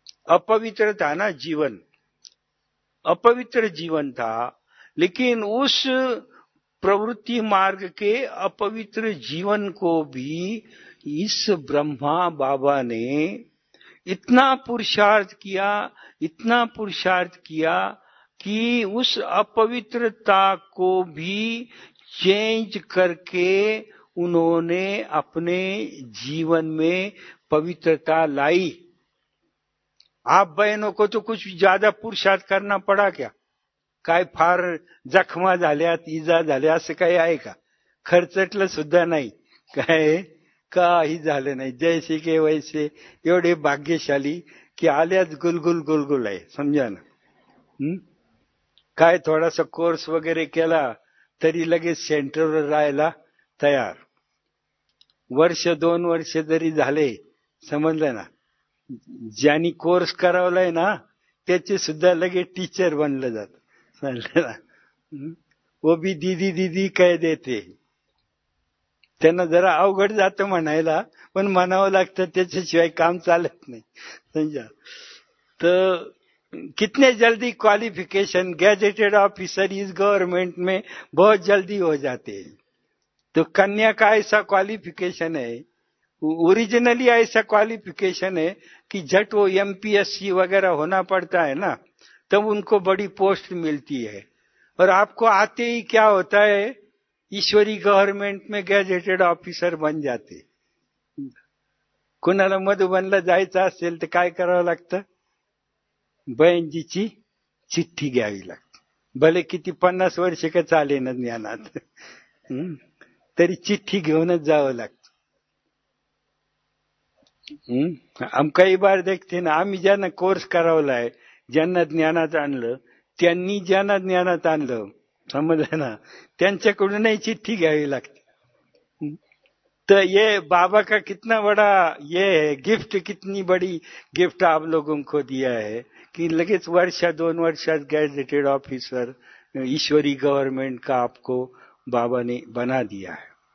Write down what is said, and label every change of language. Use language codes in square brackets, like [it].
[hi] अपवित्र था ना जीवन, अपवित्र जीवन था, लेकिन उस प्रवृत्ति मार्ग के अपवित्र जीवन को भी इस ब्रह्मा बाबा ने इतना पुरुषार्थ किया, इतना पुरुषार्थ किया कि उस अपवित्रता को भी चेंज करके उन्होंने अपने जीवन में पवित्रता लाई। आप बहनों को तो कुछ ज्यादा पुरुषार्थ करना पड़ा क्या, [mr] काय फार जखमा झाल्या, इजा झाल्या असं काही आहे का, खर्चटलं सुद्धा नाही काय, काही झालं नाही, [hi] जैसे के वैसे, [mr] एवढे भाग्यशाली कि आलियात गुलगुल गुलगुल आहे, समजा ना. काय थोडासा कोर्स वगैरे केला तरी लगेच सेंटरवर राहायला तयार. वर्ष दोन वर्ष जरी झाले, समजलं ना, ज्यांनी कोर्स करावलाय ना त्याचे सुद्धा लगेच टीचर बनलं जात, समजलं ना. वो भी दीदी दीदी काय देते, त्यांना जरा अवघड जातं म्हणायला, पण म्हणावं लागतं, त्याच्याशिवाय काम चालत नाही, समजा. [hi] तर कितने जल्दी qualification, gazetted officer is government में बहुत जल्दी हो जाते. तो कन्या का ऐसा क्वालिफिकेशन है, ओरिजिनली ऐसा क्वालिफिकेशन है कि झट वो MPSC वगैरह होना पड़ता है ना, तब उनको बड़ी पोस्ट मिलती है. और आपको आते ही क्या होता है, ईश्वरी गवर्नमेंट में गैजेटेड ऑफिसर बन जाते. [mr] कुणाला मधुबनला जायचं असेल तर काय करावं लागतं, बहिणजीची चिठ्ठी घ्यावी लागते, भले किती 50 वर्ष का चाले ना ज्ञानात, तरी चिठ्ठी घेऊनच जावं लागत. आमकाही बार देखते ना, आम्ही ज्यांना कोर्स करावलाय, ज्यांना ज्ञानात आणलं, त्यांनी ज्यांना ज्ञानात आणलं, समजलं ना, त्यांच्याकडूनही चिठ्ठी घ्यावी लागते. [hi] तर ये बाबा का कितना बडा ये गिफ्ट, कितनी बडी गिफ्ट आप लोगों को दिया है कि [mr] लगेच वर्षा दोन वर्षात [hi] गॅजेटेड ऑफिसर ईश्वरी गव्हर्नमेंट का आपको बाबा ने बना दिया है.